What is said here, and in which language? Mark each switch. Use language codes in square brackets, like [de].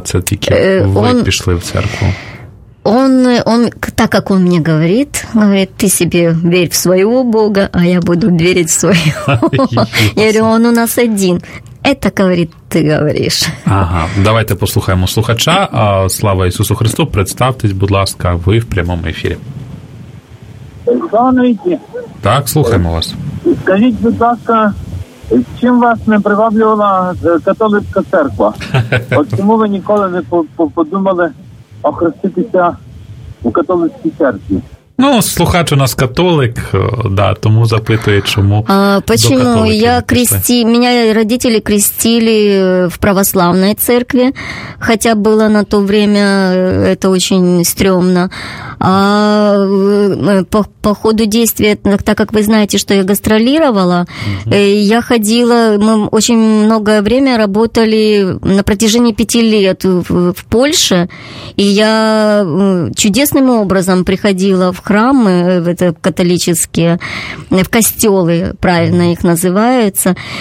[uk] Це тільки пішли в церкву. [ru] Он, так как он мне говорит, ты себе верь в своего Бога, а я буду верить в своего. Я говорю, он у нас один. Это, говорит, ты говоришь. [uk] Ага, давайте послухаємо слухача. Слава Ісусу Христу, представтесь, будь ласка, ви в прямому ефірі. Станови. Так, слухаємо вас. Скажіть, будь ласка, Чим вас не приваблювала католицька церква? От чому ви ніколи не подумали охреститися у католицькій церкві? Ну, слухач у нас католик, да, тому запитує, чому. [ru] А почему я крести, меня родители крестили в православной церкви, хотя было на то время это очень стрёмно. А по ходу действия, так как вы знаете, что я гастролировала, я ходила, мы очень многое время работали на протяжении 5 лет в Польше, и я чудесным образом приходила в храмы, это католические, в костелы, правильно их называются,